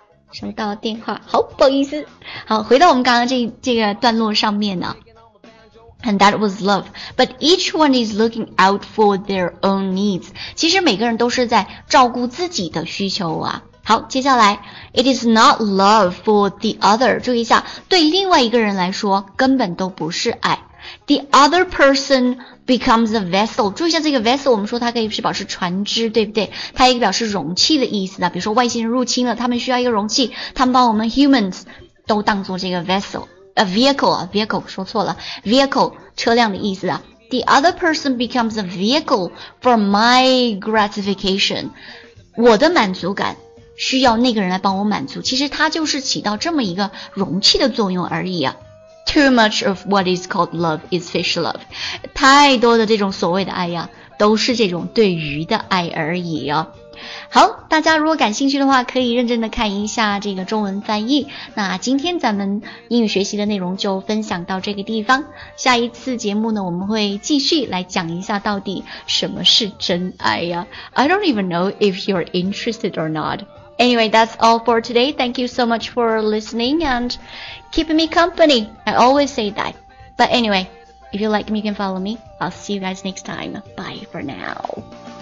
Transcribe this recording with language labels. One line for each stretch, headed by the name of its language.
Chinese: 收到电话，好，不好意思。好，回到我们刚刚这个段落上面呢。
English: And that was love. But each one is looking out for their own needs.
Chinese: 其实每个人都是在照顾自己的需求啊。好，接下来 ,
English: it is not love for the other.
Chinese: 注意一下，对另外一个人来说根本都不是爱。
English: The other person becomes a vessel.
Chinese: 注意一下这个 vessel， 我们说它可以是表示船只，对不对？它也表示容器的意思的。比如说外星人入侵了，他们需要一个容器，他们把我们 humans 都当作这个 vessel， vehicle 说错了， vehicle 车辆的意思啊。
English: The other person becomes a vehicle for my gratification.
Chinese: 我的满足感需要那个人来帮我满足，其实它就是起到这么一个容器的作用而已啊。 Too much of what is called love is fish love. 太多的这种所谓的爱呀，都是这种对鱼的爱而已啊。好，大家如果感兴趣的话，可以认真的看一下这个中文翻译。那今天咱们英语学习的内容就分享到这个地方。下一次节目呢，我们会继续来讲一下到底什么是真爱呀。
English: I don't even know if you're interested or not. Anyway, that's all for today. Thank you so much for listening and keeping me company. I always say that. But anyway, if you like me, you can follow me. I'll see you guys next time. Bye for now.